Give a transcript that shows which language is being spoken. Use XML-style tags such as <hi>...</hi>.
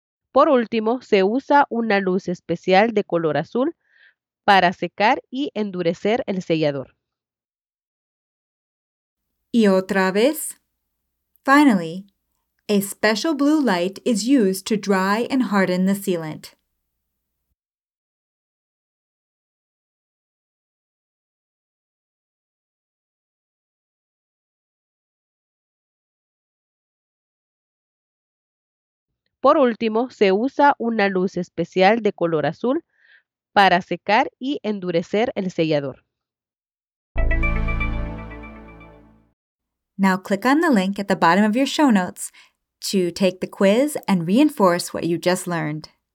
<es>Por último, se usa una luz especial de color azul para secar y endurecer el sellador. Y otra vez.</es> <en>Finally, a special blue light is used to dry and harden the sealant.</en> <es>Por último, se usa una luz especial de color azul para secar y endurecer el sellador.</es> <en>Now click on the link at the bottom of your show notes to take the quiz and reinforce what you just learned.</en>